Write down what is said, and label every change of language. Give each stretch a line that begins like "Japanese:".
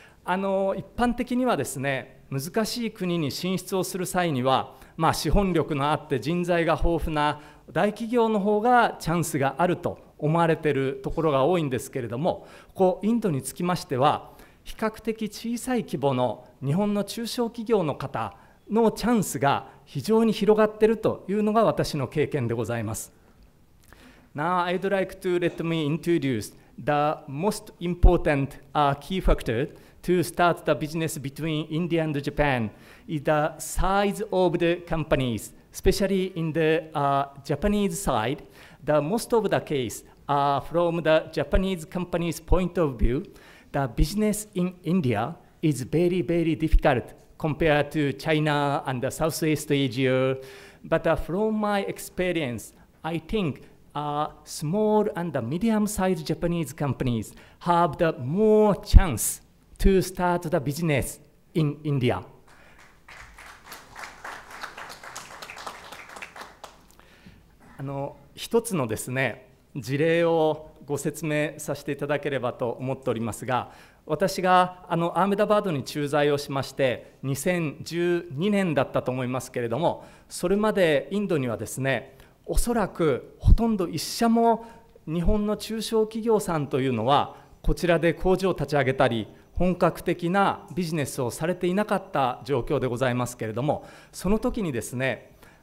Japanese: 一般的にはですね、難しい国に進出をする際には、資本力のあって人材が豊富な大企業の方がチャンスがあると思われているところが多いんですけれども、インドにつきましては比較的小さい規模の日本の中小企業の方のチャンスが非常に広がっているというのが私の経験でございます。
English: Now I'd like to let me introduceThe most important key factor to start the business between India and Japan is the size of the companies, especially in the Japanese side. The most of the case are from the Japanese company's point of view, the business in India is very, very difficult compared to China and the Southeast Asia. But from my experience, I thinkSmall and medium-sized Japanese companies have the more chance to start the business in India.
Japanese: あの一つのですね、事例をご説明させていただければと思っておりますが、私がアーメダバードに駐在をしまして、2012年だったと思いますけれども、それまでインドにはですね、おそらくほとんど一社も日本の中小企業さんというのはこちらで工場を立ち上げたり本格的なビジネスをされていなかった状況でございますけれども、その時にですね、